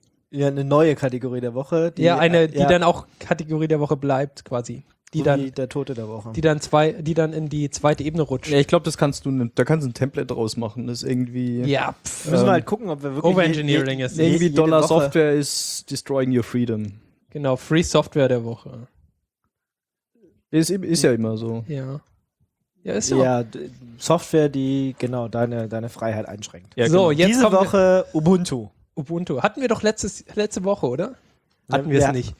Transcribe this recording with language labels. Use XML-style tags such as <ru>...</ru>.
<de>Ja, eine neue Kategorie der Woche. Die dann auch Kategorie der Woche bleibt quasi. Der Tote der Woche. Die dann in die zweite Ebene rutscht. Ja, ich glaube, da kannst du ein Template draus machen. Das ist irgendwie. Ja, müssen wir halt gucken, ob wir wirklich. Overengineering ist. Irgendwie Dollar Woche.</de> <en>Software is destroying your freedom.</en> <de>Genau, Free Software der Woche. Ist ja immer so. Ja. Ja, ist ja. Ja, Software, die genau deine Freiheit einschränkt. Ja, so, genau. Jetzt diese Woche Ubuntu. Ubuntu. Hatten wir doch letzte Woche, oder? Hatten wir es nicht.</de>